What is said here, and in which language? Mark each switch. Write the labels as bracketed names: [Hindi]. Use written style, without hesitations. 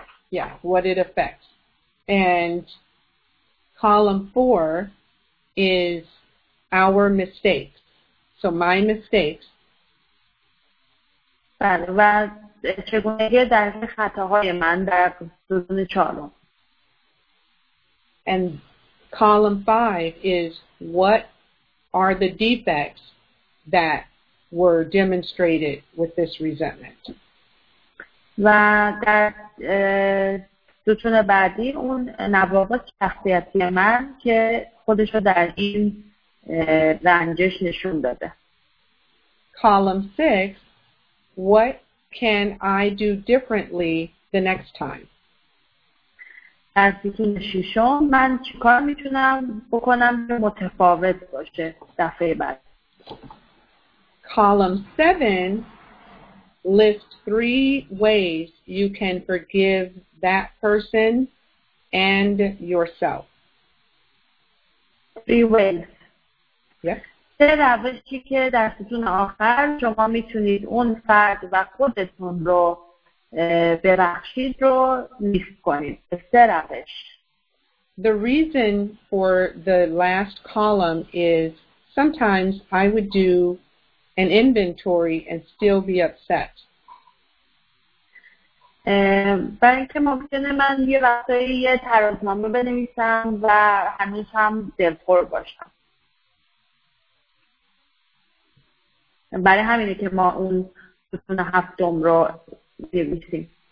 [English] Yeah, what it affects. And column 4 is our mistakes. So my mistakes. [Persian] بله. و چگونگی در خطاهای من در ستون چهارم. [English] And column 5 is what are the defects that were demonstrated with this resentment. [Persian] و در ستون بعدی اون نواقص شخصیتی من که خودش رو در این رنجش نشون داده. [English] Column 6, what can I do differently the next time? [Persian] در ستون ششم من چیکار میتونم بکنم متفاوت باشه دفعه بعد. [English] Column 7 list 3 ways you can forgive that person and yourself. 3 ways. Yes. [Persian] سه روشی که در ستون آخر شما میتونید اون فرد و خودتون رو ببخشید رو لیست کنید. سه روش. [English] The reason for the last column is sometimes I would do an inventory and still be upset. [Persian] برای اینکه ممکنه من یه وقتایی یه ترازنامه بنویسم و هنوز هم دلخور باشم. برای همینه که ما اون ستون هفتم رو نویسیم.